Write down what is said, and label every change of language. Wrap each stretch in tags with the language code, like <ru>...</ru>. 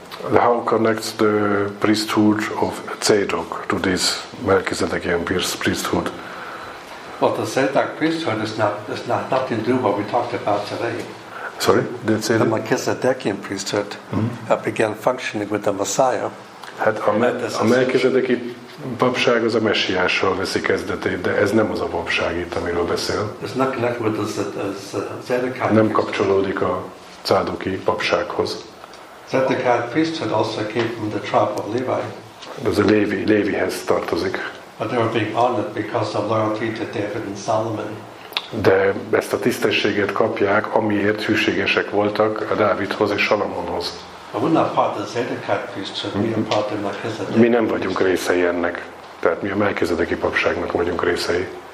<en>De how connects the priesthood of Zadok to this Melchizedekian priesthood? Well, the Zadok priesthood is not nothing to do with what we talked about today. Sorry, did say the Melchizedekian priesthood began functioning with the Messiah.</en> <hu>Hát a Melchizedeki papság az a Messiásról veszi kezdetét, de ez nem az a papság itt, amiről beszél.</hu> <en>It's not connected with the Zadok.</en> <hu>Nem kapcsolódik a cádoki papsághoz.</hu> <en>Zadokai priesthood also came from the tribe of Levi.</en> <hu>Ez a Lévihez tartozik.</hu> <en>But they were being honored because of loyalty to David and Solomon.</en> <hu>De ezt a tisztességet kapják, amiért hűségesek voltak a Dávidhoz és Salamonhoz.</hu> <en>But we're not part of the Zadokai priesthood, we are part of the Melchizedeki.</en> <hu>Mi nem vagyunk részei ennek. Tehát mi a Melchizedeki papságnak vagyunk részei.</hu>